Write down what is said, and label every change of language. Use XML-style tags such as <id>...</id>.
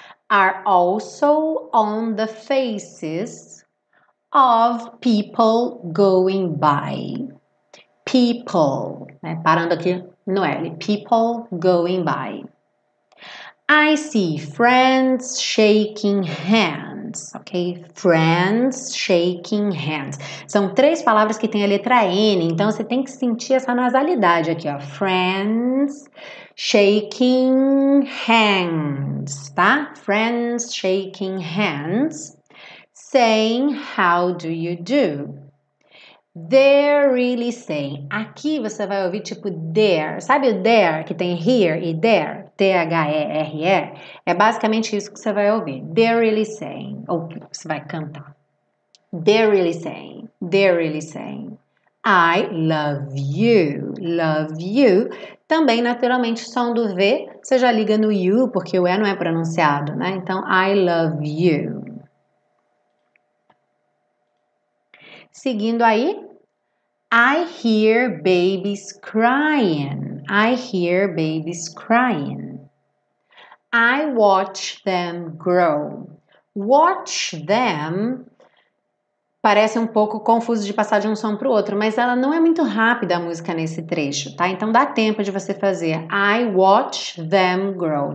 <en>Are also on the faces of people going by.</en> <pt>People, né? Parando aqui no L.</pt> <en>People going by. I see friends shaking hands. Ok? Friends shaking hands.</en> <pt>São três palavras que tem a letra N. Então, você tem que sentir essa nasalidade aqui.</pt> <en>Ó. Friends shaking hands. Tá? Friends shaking hands. Saying, how do you do? They're really saying.</en> <pt>Aqui você vai ouvir tipo there. Sabe o there que tem here e there? T-H-E-R-E. É basicamente isso que você vai ouvir.</pt> <en>They're really saying.</en> <pt>Ou você vai cantar.</pt> <en>They're really saying. They're really saying. I love you. Love you.</en> <pt>Também, naturalmente, som do V, você já liga no you, porque o E não é pronunciado, né?</pt> <en>Então, I love you. Seguindo aí, I hear babies crying. I hear babies crying. I watch them grow.</en> <pt>Watch them parece um pouco confuso de passar de um som para o outro, mas ela não é muito rápida a música nesse trecho, tá? Então dá tempo de você fazer</pt> <en>I watch them grow.</en>